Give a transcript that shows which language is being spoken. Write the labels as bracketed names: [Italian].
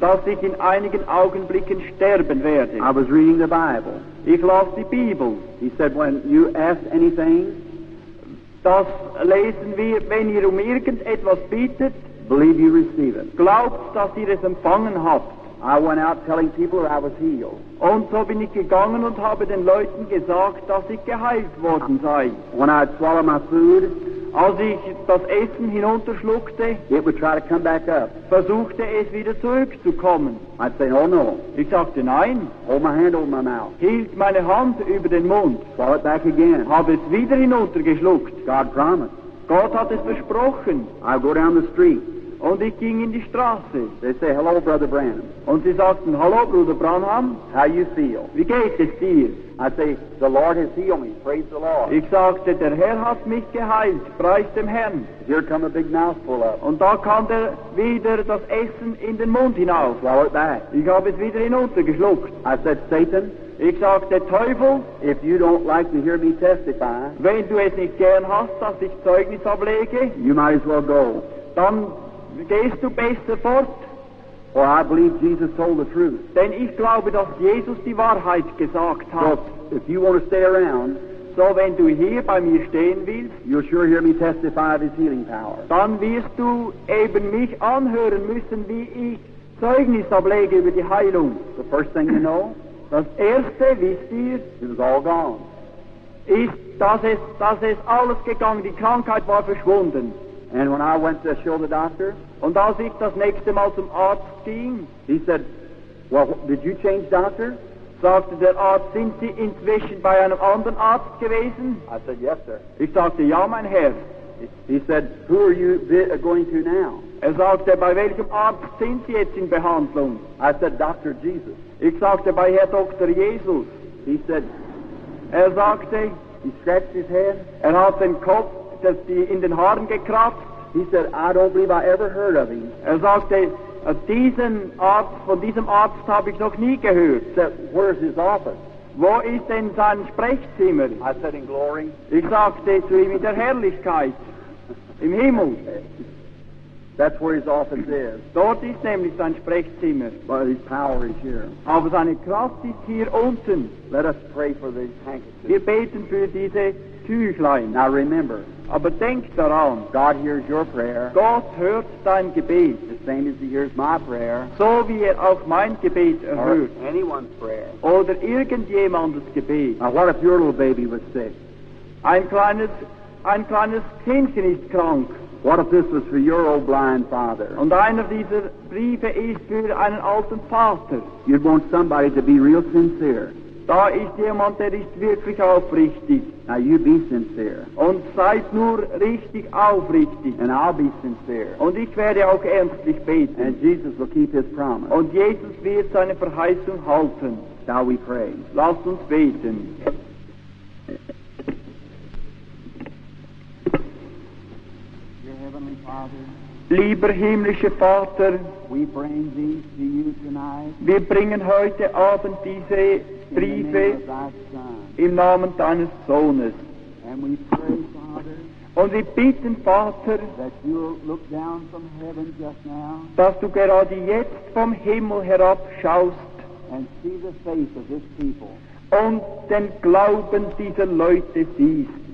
[German] Dass ich in einigen Augenblicken sterben werde. [English] I was reading the Bible. [German] Ich las die Bibel. [English] He said, when you ask anything, [German] das lesen wir, wenn ihr irgendetwas bietet, [English] believe you receive it. [German] Glaubt, dass ihr es empfangen habt. [English] I went out telling people that I was healed. [German] Und so bin ich gegangen und habe den Leuten gesagt, dass ich geheilt worden sei. [English] When I'd swallow my food, [German] als ich das Essen hinunterschluckte, [English] it would try to come back up. [German] Versuchte es wieder zurückzukommen. [English] I'd say, oh no. [German] Ich sagte, nein. [English] Hold my hand over my mouth. [German] Hielt meine Hand über den Mund. [English] Swallow it back again. [German] Habe es wieder hinuntergeschluckt. [English] God promised. [German] Gott hat es versprochen. [English] I'll go down the street. [German] Und ich ging in die Straße. [English] They say, hello, Brother Branham. [German] Und sie sagten, hallo, Bruder Branham. [English] How you feel? [German] Wie geht es dir? [English] I say, the Lord has healed me. Praise the Lord. [German] Ich sagte, der Herr hat mich geheilt. Preist dem Herrn. [English] Here come a big mouthful of. [German] Und da kam wieder das Essen in den Mund hinaus. [English] I swallowed back. [German] Ich habe es wieder hinuntergeschluckt. [English] I said, Satan. [German] Ich sagte, Teufel. [English] If you don't like to hear me testify. [German] Wenn du es nicht gern hast, dass ich Zeugnis ablege. [English] You might as well go. [German] Dann gehst du besser fort? [English] Or I believe Jesus told the truth. [German] Denn ich glaube, dass Jesus die Wahrheit gesagt hat. [English] So, if you want to stay around, [German] so wenn du hier bei mir stehen willst, [English] you'll sure hear me testify of his healing power. [German] Dann wirst du eben mich anhören müssen, wie ich Zeugnis ablege über die Heilung. [English] The first thing you know, [German] das Erste, wisst ihr, [English] it was all gone. [German] Das ist alles gegangen, die Krankheit war verschwunden. [English] And when I went to show the doctor, [German] und als ich das nächste Mal zum Arzt ging, [English] he said, well, did you change doctor? [German] Sagte der Arzt, sind Sie inzwischen bei einem anderen Arzt gewesen? [English] I said, yes, sir. [German] Ich sagte, ja, mein Herr. [English] He said, who are you going to now? [German] Er sagte, bei welchem Arzt sind Sie jetzt in Behandlung? [English] I said, Dr. Jesus. [German] Ich sagte, bei Herr Dr. Jesus. [English] He said, [German] er sagte, [English] he scratched his head. [German] Er hat den Kopf in den Haaren gekratzt. [English] He said, I don't believe I ever heard of him. [German] Er sagte, von diesem Arzt habe ich noch nie gehört. [English] He said, where's his office? [German] Wo ist denn sein Sprechzimmer? [English] I said, in glory. [German] Ich sagte zu ihm, in der Herrlichkeit, im Himmel. [English] That's where his office is. [German] Dort ist nämlich sein Sprechzimmer. [English] But his power is here. [German] Aber seine Kraft ist hier unten. [English] Let us pray for these handkerchiefs. [German] Wir beten für diese Tüchlein. [English] Now remember. [German] Aber denk daran. [English] God hears your prayer. [German] Gott hört dein Gebet. [English] The same as he hears my prayer. [German] So wie auch mein Gebet erhört. [English] Or anyone's prayer. [German] Oder irgendjemandes Gebet. [English] Now what if your little baby was sick? [German] Ein kleines Kindchen ist krank. [English] What if this was for your old blind father? [German] Und einer dieser Briefe ist für einen alten Vater. [English] You'd want somebody to be real sincere. [German] Da ist jemand, der ist wirklich aufrichtig. [English] Now you be sincere. [German] Und seid nur richtig aufrichtig. [English] And I'll be sincere. [German] Und ich werde auch ernstlich beten. [English] And Jesus will keep his promise. [German] Und Jesus wird seine Verheißung halten. [English] Shall we pray? [German] Lasst uns beten. Lieber himmlischer Vater, [English] we bring these to you tonight. [German] Wir bringen heute Abend diese Briefe im Namen deines Sohnes. [English] And we pray, Father, [German] und wir bitten, Vater, [English] that you'll look down from heaven just now, [German] dass du gerade jetzt vom Himmel herabschaust [English] and see the faith of this people. [German] Und den Glauben dieser Leute siehst.